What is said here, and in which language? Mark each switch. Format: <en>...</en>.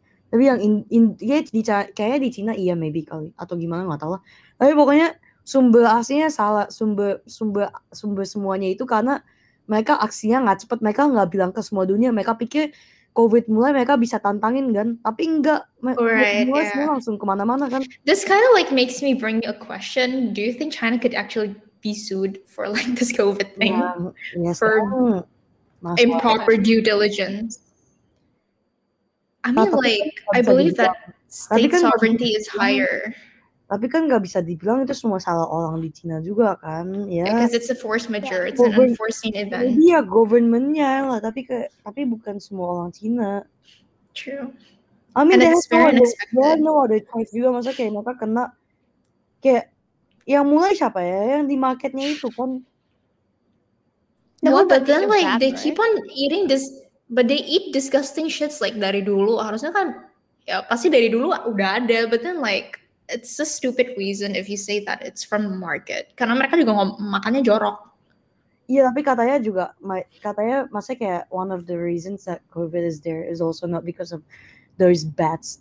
<id>Tapi yang kayaknya di China iya maybe kali atau gimana nggak tahu lah. Tapi pokoknya sumber aslinya salah, sumber semuanya itu karena mereka aksinya nggak cepat, mereka nggak bilang ke semua dunia, mereka pikir COVID mulai mereka bisa tantangin kan, tapi enggak, mulai langsung kemana-mana kan.</id> <en>This kind of like makes me bring a question: do you think China could actually be sued for like this COVID thing for improper due diligence? I mean, like I believe that state</en> <id>kan</id> <en>sovereignty is higher.</en> <id>Tapi kan nggak bisa dibilang itu semua salah orang di Cina juga kan ya.</id> <en>Because it's a force majeure, it's an unforeseen event.</en> <id>Iya, governmentnya lah, tapi bukan semua orang Cina.</id> <en>True. I mean, and they it's very unexpected. No other choice</en> <id>juga, masa kayak mereka kena kayak yang mulai siapa ya yang di marketnya itu kan.</id> <en>No, but then like they keep on eating this, but they eat disgusting shits like</en> <id>dari dulu. Harusnya kan ya pasti dari dulu udah ada,</id> <en>but then like it's a stupid reason if you say that it's from market.</en> <id>Karena mereka juga makannya jorok. Iya, tapi katanya juga, katanya maksudnya kayak</id> <en>one of the reasons that COVID is there is also not because of those bats.</en>